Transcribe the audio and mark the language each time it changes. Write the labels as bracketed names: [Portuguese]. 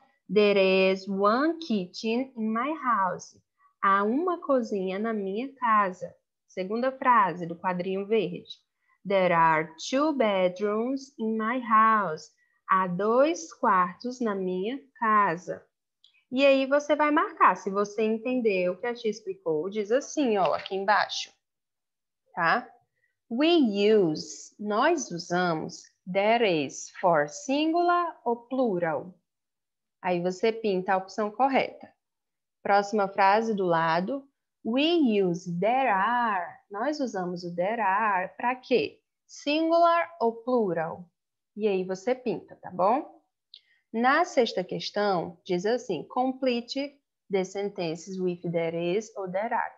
[English] There is one kitchen in my house. [Portuguese] Há uma cozinha na minha casa. Segunda frase do quadrinho verde. [English] There are two bedrooms in my house. [Portuguese] Há dois quartos na minha casa. E aí você vai marcar. Se você entendeu o que a tia explicou, diz assim, ó, aqui embaixo. Tá? [English] We use, [Portuguese] nós usamos. [English] There is for singular ou plural? [Portuguese] Aí você pinta a opção correta. Próxima frase do lado. [English] We use there are. [Portuguese] Nós usamos o [English] there are [Portuguese] para quê? Singular ou plural? E aí você pinta, tá bom? Na sexta questão, diz assim: [English] complete the sentences with there is [Portuguese] ou there are.